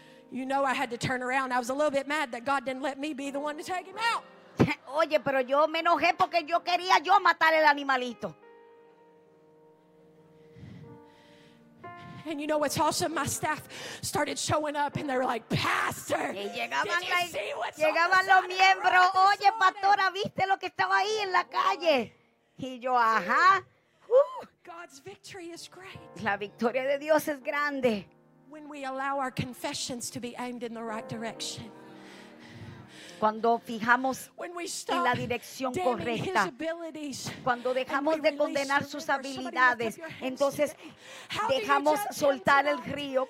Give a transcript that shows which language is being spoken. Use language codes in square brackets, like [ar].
[en] You know, I had to turn around. I was a little bit mad that God didn't let me be the one to take him out. [es] Oye, pero yo me enojé porque yo quería yo matar el animalito. [en] And you know what's awesome? My staff started showing up and they were like, Pastor, [es] llegaban los miembros. Oye, pastora, ¿viste lo que estaba ahí en la calle? Y yo, ajá. [en] God's victory is great. [es] La victoria de Dios es grande. [en] When we allow our confessions to be aimed in the right direction. [es] Cuando fijamos en la dirección correcta, cuando dejamos de condenar sus habilidades, entonces dejamos soltar el río.